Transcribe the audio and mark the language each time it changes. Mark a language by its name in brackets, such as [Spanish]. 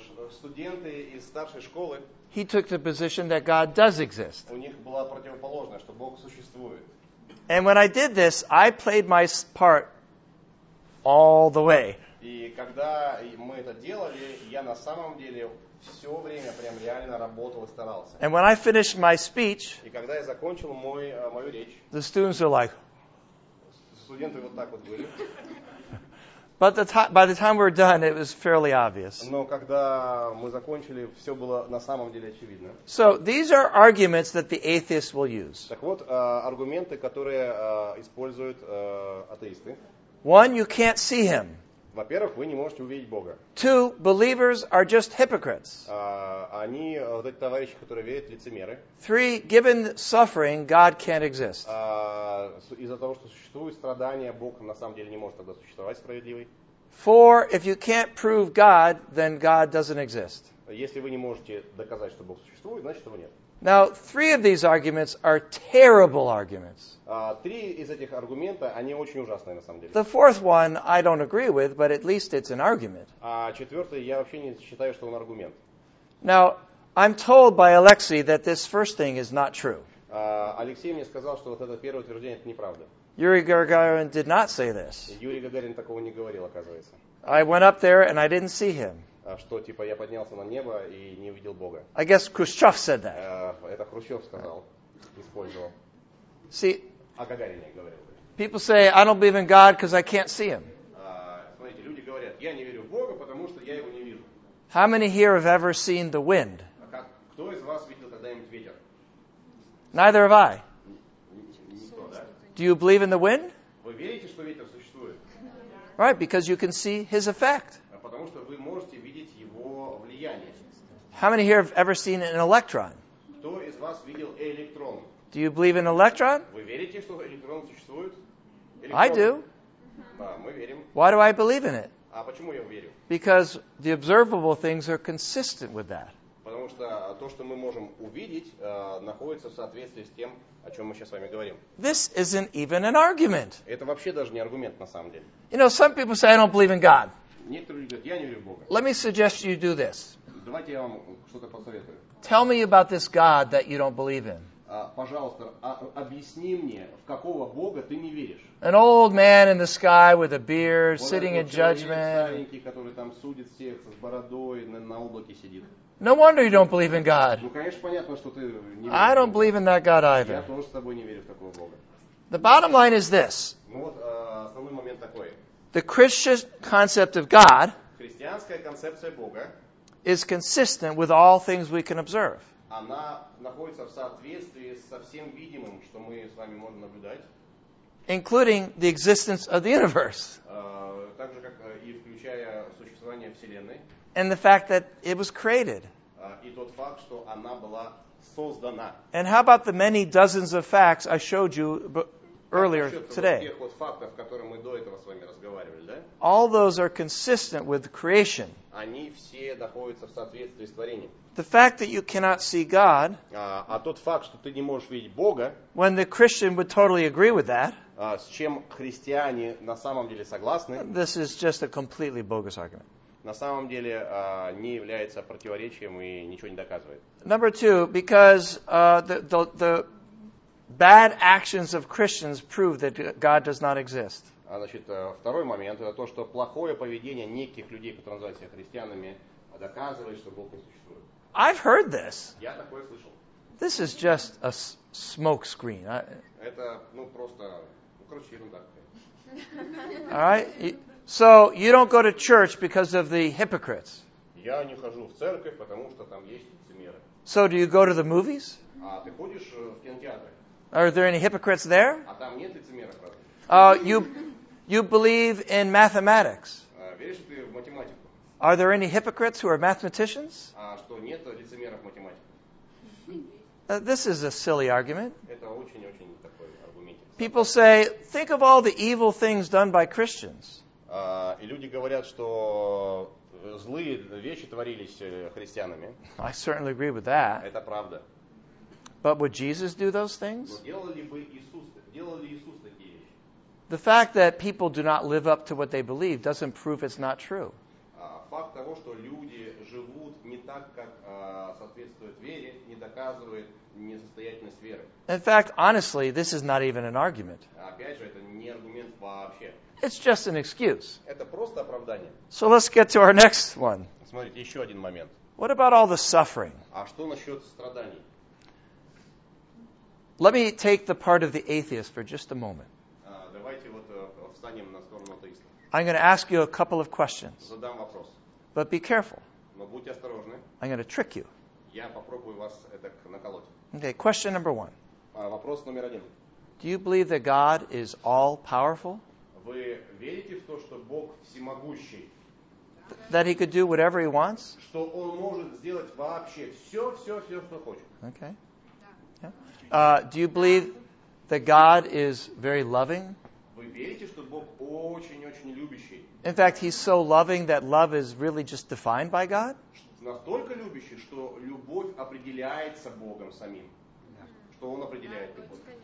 [Russian] Студенты из старшей школы. [English] He took the position that God does exist. [Russian] У них была противоположная, что Бог существует. [English] And when I did this, I played my part all the way. [Russian] И когда мы это делали, я на самом деле все время прям реально работал и старался. [English] And when I finished my speech, [Russian] и когда я закончил мою речь, [English] the students were like, [Russian] студенты вот так вот были. [English] But by the time we were done, it was fairly obvious. [Russian] Но когда мы закончили, все было на самом деле очевидно. [English] So these are arguments that the atheists will use. [Russian] Так вот, аргументы, которые используют атеисты. [English] One, you can't see him. [Russian] Во-первых, вы не можете увидеть Бога. [English] Two, believers are just hypocrites. [Russian] Они, вот эти товарищи, которые верят, лицемеры. [English] Three, given suffering, God can't exist. [Russian] Из-за того, что существуют страдания, Бог на самом деле не может тогда существовать справедливый. [English] Four, if you can't prove God, then God doesn't exist. [Russian] Если вы не можете доказать, что Бог существует, значит, его нет. [English] Now, three of these arguments are terrible arguments. [Russian] Три из этих аргументов, они очень ужасные на самом деле. [English] The fourth one I don't agree with, but at least it's an argument. [Russian] А четвертый, я вообще не считаю, что он аргумент. [English] Now, I'm told by Alexei that this first thing is not true. [Russian] Алексей мне сказал, что вот это первое утверждение, это неправда. [English] Yuri Gagarin did not say this. [Russian] Юрий Гагарин такого не говорил, оказывается. [English] I went up there and I didn't see him. [Russian] Что, типа, я поднялся на небо и не увидел Бога. [English] I guess Khrushchev said that. [Russian] Это Хрущев сказал, использовал. [English] See, [Russian] а Гагарин говорил. [English] People say, I don't believe in God because I can't see him. [Russian] Смотрите, люди говорят, я не верю в Бога, потому что я его не вижу. [English] How many here have ever seen the wind? [Russian] Кто из вас видел когда-нибудь ветер? [English] Neither have I. [Russian] Никто, да? [English] Do you believe in the wind? [Russian] Вы верите, что ветер существует? [English] Right, because you can see his effect. [Russian] Потому что вы можете видеть его влияние. [English] How many here have ever seen an electron? [Russian] Кто из вас видел электрон? [English] Do you believe in electron? [Russian] Вы верите, что электрон существует? [English] I do. [Russian] Да, мы верим. [English] Why do I believe in it? [Russian] А почему я верю? [English] Because the observable things are consistent with that. [Russian] Потому что то, что мы можем увидеть, находится в соответствии с тем, о чем мы сейчас с вами говорим. [English] This isn't even an argument. [Russian] Это вообще даже не аргумент на самом деле. [English] You know, some people say I don't believe in God. [Russian] Некоторые говорят, я не верю в Бога. [English] Let me suggest you do this. [Russian] Давайте я вам что-то посоветую. [English] Tell me about this God that you don't believe in. [Russian] Пожалуйста, объясни мне, в какого Бога ты не веришь. [English] An old man in the sky with a beard, вот sitting in judgment. [Russian] Старенький, который там судит всех с бородой на облаке сидит. [English] No wonder you don't believe in God. [Russian] Ну, конечно, понятно, что ты не веришь. [English] I don't believe in that God either. [Russian] Я тоже с тобой не верю в такого Бога. [English] The bottom line is this. [Russian] Ну вот, основной момент такой. [English] The Christian concept of God. [Russian] Христианская концепция Бога. [English] Is consistent with all things we can observe. [Russian] Она находится в соответствии со всем видимым, что мы с вами можем наблюдать. [English] Including the existence of the universe. [Russian] Так же, как и включая существование Вселенной. [English] And the fact that it was created. [Russian] И тот факт, что она была создана. [English] And how about the many dozens of facts I showed you earlier today? [Russian] Как насчет тех вот фактов, которые мы до этого с вами разговаривали, да? [English] All those are consistent with creation. [Russian] Они все находятся в соответствии с творением. [English] The fact that you cannot see God. [Russian] А тот факт, что ты не можешь видеть Бога. [English] When the Christian would totally agree with that. [Russian] С чем христиане на самом деле согласны. [English] This is just a completely bogus argument. [Russian] На самом деле не является противоречием и ничего не доказывает. [English] Number two, because the bad actions of Christians prove that God does not exist. [Russian] А значит, второй момент это то, что плохое поведение неких людей, которые называют себя христианами, доказывает, что Бог не существует. [English] I've heard this. [Russian] Я такое слышал. [English] This is just a smoke screen. [Russian] Это ну просто, ну короче, ерунда. [English] Alright. So you don't go to church because of the hypocrites. [Russian] Я не хожу в церковь, потому что там есть лицемеры. [English] So do you go to the movies? [Russian] А ты ходишь в кинотеатры? [English] Are there any hypocrites there? [Russian] А там нет лицемеров, правда? [English] You believe in mathematics? [Russian] Веришь ты в математику? [English] Are there any hypocrites who are mathematicians? [Russian] А что нет лицемеров в математике? [English] This is a silly argument. [Russian] Это очень-очень такой аргумент. [English] People say, think of all the evil things done by Christians. [Russian] И люди говорят, что злые вещи творились христианами. [English] I certainly agree with that. [Russian] Это правда. [English] But would Jesus do those things? [Russian] Но делал ли Иисус такие вещи? [English] The fact that people do not live up to what they believe doesn't prove it's not true. [Russian] Факт того, что люди живут не так, как соответствует вере, не доказывает несостоятельность веры. [English] In fact, honestly, this is not even an argument. [Russian] Опять же, это не аргумент вообще. [English] It's just an excuse. [Russian] Это просто оправдание. [English] So let's get to our next one. [Russian] Смотрите, еще один момент. [English] What about all the suffering? [Russian] А что насчет страданий? [English] Let me take the part of the atheist for just a moment. [Russian] Давайте вот встанем на сторону атеиста. [English] I'm going to ask you a couple of questions. [Russian] Задам вопрос. [English] But be careful. [Russian] Но будьте осторожны. [English] I'm going to trick you. [Russian] Я попробую вас этак наколоть. [English] Okay, question number one. [Russian] Вопрос номер один. [English] Do you believe that God is all powerful? [Russian] Вы верите в то, что Бог всемогущий? [English] That he could do whatever he wants? [Russian] Что он может сделать вообще все, что хочет. [English] Okay. Yeah. Do you believe that God is very loving? [Russian] Вы верите, что Бог очень-очень любящий? [English] In fact, he's so loving that love is really just defined by God? [Russian] Настолько любящий, что любовь определяется Богом самим. Что он определяет любовь.